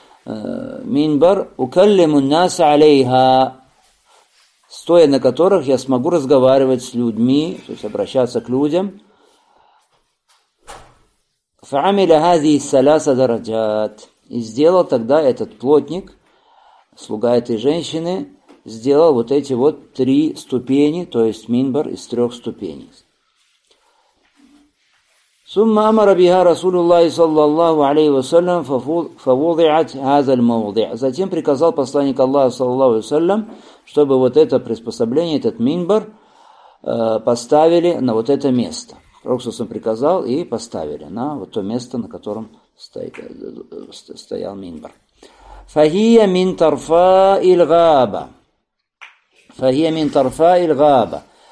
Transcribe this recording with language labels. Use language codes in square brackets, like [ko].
[ru] минбар [ar] укаллиму ан-наса алейха, [ru] стоя на которых я смогу разговаривать с людьми, то есть обращаться к людям. [ar] Фаамиля хазихи ас-саляса дараджат. [ru] И сделал тогда этот плотник, слуга этой женщины, сделал вот эти вот три ступени, то есть минбар из трех ступеней. [ar] ثم أمر بها رسول الله صلى الله عليه وسلم فوضعت هذا الموضع. [ru] Затем приказал посланник Аллаха саллаллаху алейхи ва саллям, чтобы вот это приспособление, этот минбар, поставили на вот это место. Пророк приказал и поставили на вот то место, на котором стоял минбар. [ar] Фахия мин тарфа иль гааба. Фахия мин тарфа иль гааба.